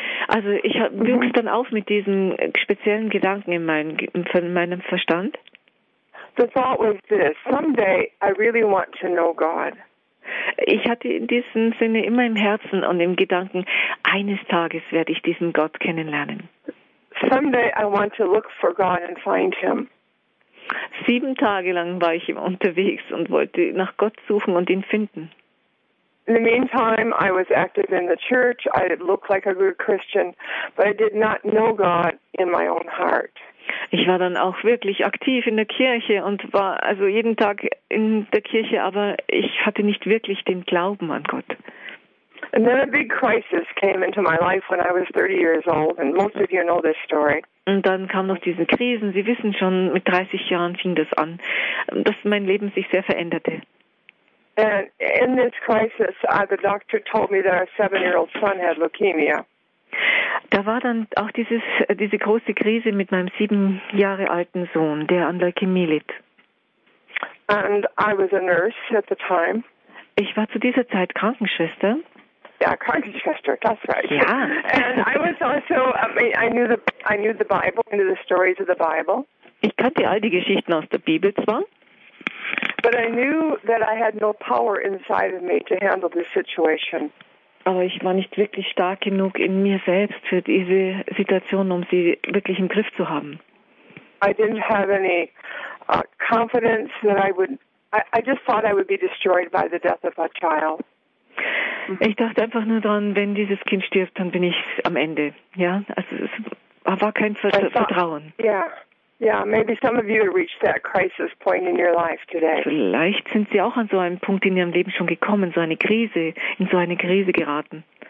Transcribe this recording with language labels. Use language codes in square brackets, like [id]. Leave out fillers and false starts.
[de] Also ich wuchs dann auf mit diesen speziellen Gedanken in meinem Verstand. [en] The thought was this: someday I really want to know God. [de] Ich hatte in diesem Sinne immer im Herzen und im Gedanken, eines Tages werde ich diesen Gott kennenlernen. [en] Someday I want to look for God and find him. [de] 7 Tage lang war ich immer unterwegs und wollte nach Gott suchen und ihn finden. [en] In the meantime, I was active in the church. I looked like a good Christian, but I did not know God in my own heart. [de] Ich war dann auch wirklich aktiv in der Kirche und war also jeden Tag in der Kirche, aber ich hatte nicht wirklich den Glauben an Gott. [en] And then a big crisis came into my life when I was 30 years old, and most of you know this story. [de] Und dann kam noch diese Krisen. Sie wissen schon, mit 30 Jahren fing das an, dass mein Leben sich sehr veränderte. [en] And in this crisis, the doctor told me that our 7-year-old son had leukemia. [de] Da war dann auch diese große Krise mit meinem 7 Jahre alten Sohn, der an Leukämie litt. [en] And I was a nurse at the time. [de] Ich war zu dieser Zeit Krankenschwester. [en] Yeah, Krankenschwester, that's right. [de] Ja. [en] And I was also, I knew the Bible, knew the stories of the Bible. [de] Ich kannte all die Geschichten aus der Bibel zwar. [en] But I knew that I had no power inside of me to handle this situation. [de] Aber ich war nicht wirklich stark genug in mir selbst für diese Situation, um sie wirklich im Griff zu haben. [en] I didn't have any confidence that I would. I just thought I would be destroyed by the death of a child. [de] Ich dachte einfach nur dran, wenn dieses Kind stirbt, dann bin ich am Ende. Ja, also es war kein Vertrauen. [en] Yeah, maybe some of you have reached that crisis point in your life today. [de] Vielleicht sind Sie auch an so einem Punkt in Ihrem Leben schon gekommen, so eine Krise, in so eine Krise geraten.